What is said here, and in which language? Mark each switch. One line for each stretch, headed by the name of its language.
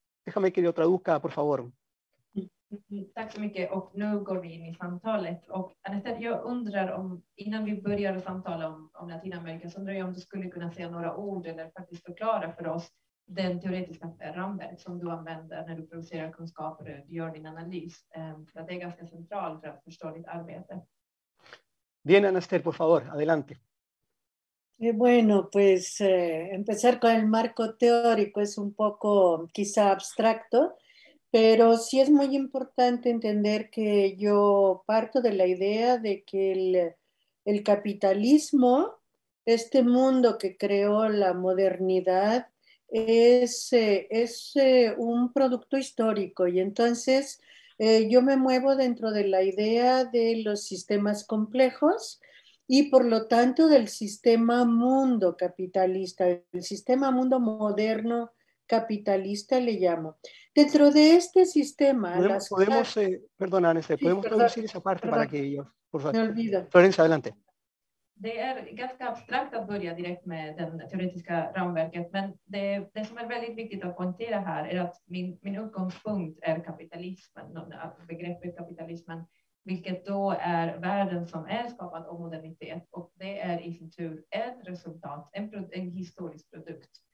Spanish: Déjame que lo traduzca, por favor.
Swedish: Tack så mycket, och nu går vi in i samtalet. Och Anastasia, jag undrar om, innan vi börjar samtala om Latinamerika, så undrar jag om du skulle kunna säga några ord eller faktiskt förklara för oss den teoretiska ramverk som du använder när du producerar kunskaper och gör din analys. För att det är ganska centralt för att förstå ditt arbete.
Spanish: Bien, Anastasia, por favor, adelante. Bueno, pues empezar con el marco teórico es un poco quizá abstracto, pero sí es muy importante entender que yo parto de la idea de que el capitalismo, este mundo que creó la modernidad, es un producto histórico. Y entonces yo me muevo dentro de la idea de los sistemas complejos y por lo tanto del sistema mundo capitalista, el sistema mundo moderno capitalista le llamo. Dentro de este sistema... ¿Podemos traducir esa parte para que ellos... Por favor. Me olvido. Florencia, adelante.
Swedish: Det är ganska abstrakt att börja direkt med den teoretiska ramverket, men det som är väldigt viktigt att poängtera här är att min utgångspunkt är kapitalismen, begreppet kapitalismen, vilket då är världen som är skapad av modernitet, och det är i sin tur ett resultat, en historisk produkt.